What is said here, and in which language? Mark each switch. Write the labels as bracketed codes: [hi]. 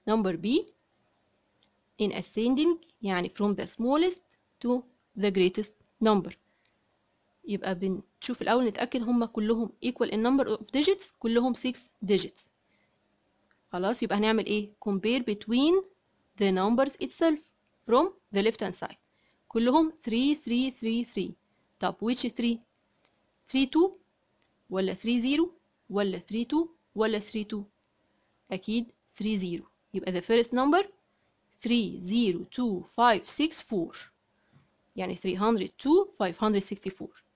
[ar] Number B in ascending يعني [en] from the smallest to the greatest number، [ar] يبقى بنشوف الأول نتأكد هما كلهم equal in number of digits، كلهم 6 digits خلاص. يبقى هنعمل ايه؟ [en] compare between the numbers itself from the left hand side، كلهم 3333. [ar] طب which 3 32 ولا 30 ولا 32 ولا 32؟ أكيد 30. يبقى the first number 302564 يعني 302564.